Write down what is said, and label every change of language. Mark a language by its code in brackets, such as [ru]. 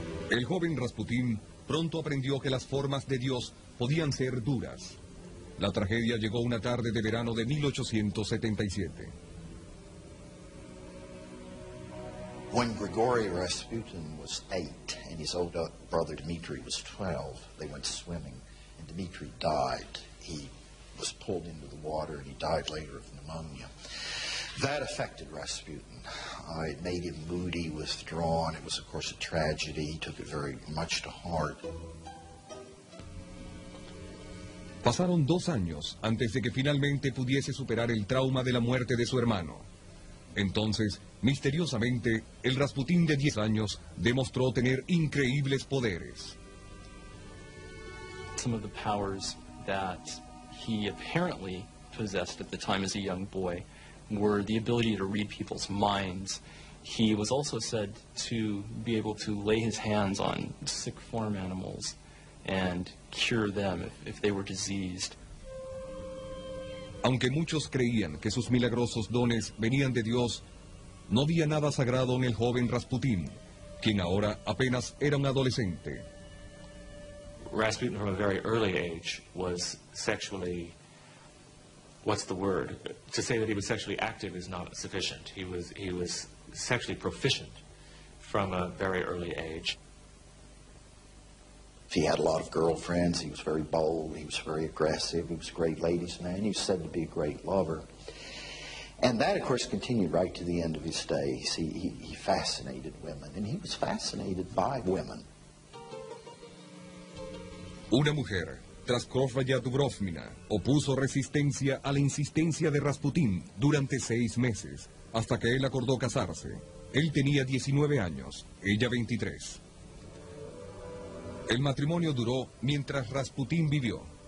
[es] El joven Rasputín pronto aprendió que las formas de Dios podían ser duras. La tragedia llegó una tarde de verano de 1877. [en] When Grigori Rasputin was 8 and his older brother Dmitri was 12, they went swimming and Dmitri died. He was pulled into the water and he died later of pneumonia. That affected Rasputin. It made him moody, withdrawn. It was, of course, a tragedy. He took it very much to heart. [es] Pasaron dos años antes de que finalmente pudiese superar el trauma de la muerte de su hermano. Entonces, misteriosamente, el Rasputín de 10 años demostró tener increíbles poderes. [en] Some of the powers that he apparently possessed at the time as a young boy were the ability to read people's minds. He was also said to be able to lay his hands on sick farm animals and cure them if they were diseased. [es] Aunque muchos creían que sus milagrosos dones venían de Dios, no había nada sagrado en el joven Rasputín, quien ahora apenas era un adolescente. [en] Rasputin from a very early age was sexually, what's the word? To say that he was sexually active is not sufficient. He was sexually proficient from a very early age. He had a lot of girlfriends. He was very bold. He was very aggressive. He was a great ladies' man. He was said to be a great lover. And that, of course, continued right to the end of his days. He fascinated women, and he was fascinated by women. [es] Una mujer, tras Krofaya Dubrovnina, opuso resistencia a la insistencia de Rasputín durante 6 meses, hasta que él acordó casarse. Él tenía 19 años, ella 23. El matrimonio duró mientras Rasputín vivió.